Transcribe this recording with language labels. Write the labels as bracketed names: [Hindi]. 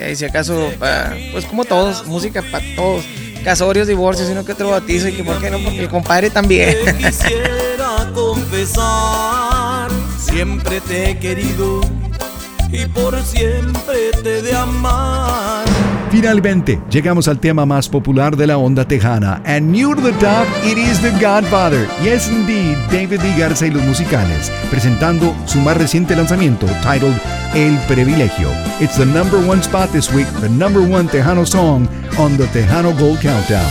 [Spanish] Y si acaso, pues como todos, música para todos. Casorios, divorcios, sino que otro bautizo, y que por qué no, porque el compadre también. Quisiera confesar, siempre te he querido y por siempre te de amar. Finalmente, llegamos al tema más popular de la onda tejana. [English] And near the top, it is the Godfather. Yes, indeed, David D. [Spanish] Garza y los musicales, presentando su más reciente lanzamiento, [English] titled [Spanish] El Privilegio. [English] It's the number one spot this week, the number one Tejano song on the Tejano Gold Countdown.